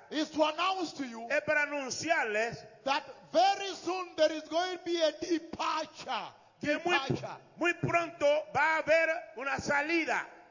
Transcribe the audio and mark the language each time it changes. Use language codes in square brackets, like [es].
[en] is to announce to you [es] es para anunciarles [en] that very soon there is going to be a departure. [es] Que muy pronto va a haber una salida.